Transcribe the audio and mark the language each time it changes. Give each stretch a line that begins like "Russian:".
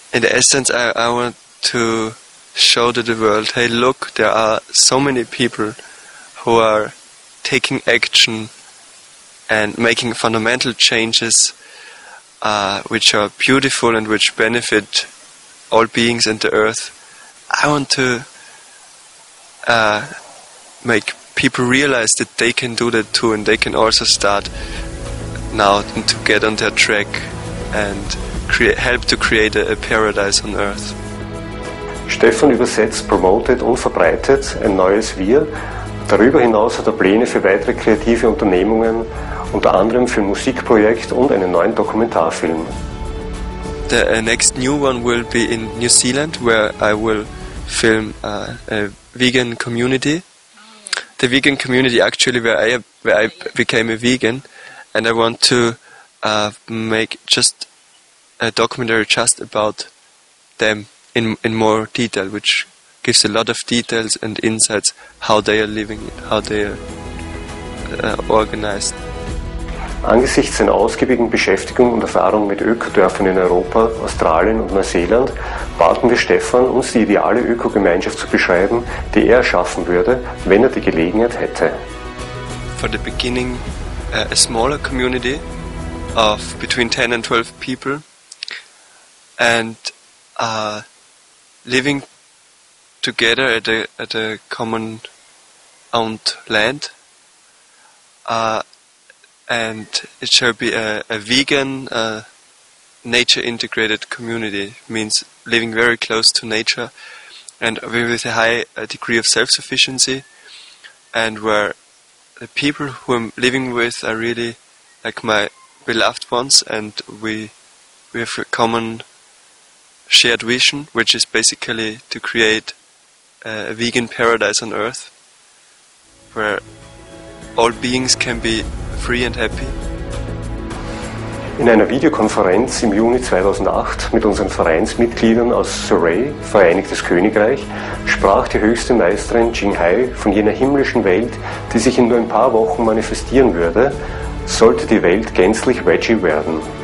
English: In the essence, I want to show to the world, hey, look, there are so many people who are taking action and making fundamental changes which are beautiful and which benefit all beings and the earth. I want to make people realize that they can do that too, and they can also start now to get on their track and help to create a paradise on earth.
German: Stefan übersetzt, promotet und verbreitet ein neues Wir. Darüber hinaus hat er Pläne für weitere kreative Unternehmungen, unter anderem für ein Musikprojekt und einen neuen Dokumentarfilm.
English: The next new one will be in New Zealand, where I will film a vegan community. The vegan community, actually, where I became a vegan, and I want to make just a documentary just about them in more detail, which gives a lot of details and insights how they are living, how they are organized.
German: Angesichts seiner ausgiebigen Beschäftigung und Erfahrung mit Ökodörfern in Europa, Australien und Neuseeland baten wir Stefan, uns die ideale Ökogemeinschaft zu beschreiben, die er schaffen würde, wenn er die Gelegenheit hätte.
English: For the beginning, a smaller community of between 10 and 12 people and living together at a common owned land. And it shall be a vegan, nature integrated community. It means living very close to nature and with a high degree of self-sufficiency, and where the people who I'm living with are really like my beloved ones, and we have a common shared vision, which is basically to create a vegan paradise on Earth where all beings can be free and happy.
German: In einer Videokonferenz im Juni 2008 mit unseren Vereinsmitgliedern aus Surrey, Vereinigtes Königreich, sprach die höchste Meisterin Jing Hai von jener himmlischen Welt, die sich in nur ein paar Wochen manifestieren würde, sollte die Welt gänzlich veggie werden.